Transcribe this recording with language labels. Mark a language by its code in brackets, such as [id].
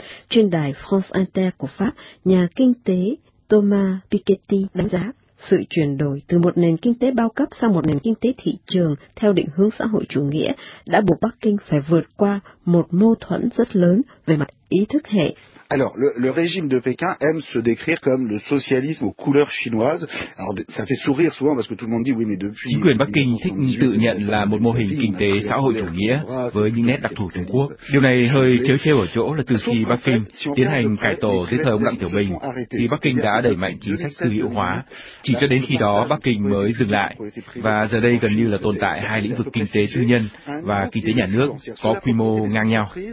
[vi] Trên đài France Inter của Pháp, nhà kinh tế Thomas Piketty đánh giá, sự chuyển đổi từ một nền kinh tế bao cấp sang một nền kinh tế thị trường theo định hướng xã hội chủ nghĩa đã buộc Bắc Kinh phải vượt qua một mâu thuẫn rất lớn về mặt ý thức hệ. [fr] Alors, le régime de Pékin aime se décrire comme le socialisme aux couleurs chinoises. Alors, ça fait sourire souvent parce que tout le monde dit oui, mais depuis. [vi] Chính quyền Bắc Kinh thích tự nhận là một mô hình kinh tế xã hội chủ nghĩa với những nét đặc thù Trung Quốc. Điều này hơi trêu chêu ở chỗ là từ khi Bắc Kinh tiến hành cải tổ dưới thời ông Đặng Tiểu Bình, thì Bắc Kinh đã đẩy mạnh chính sách tư hữu hóa. Chỉ cho đến khi đó Bắc Kinh mới dừng lại, và giờ đây gần như là tồn tại hai lĩnh vực kinh tế tư nhân và kinh tế nhà nước có quy mô ngang nhau.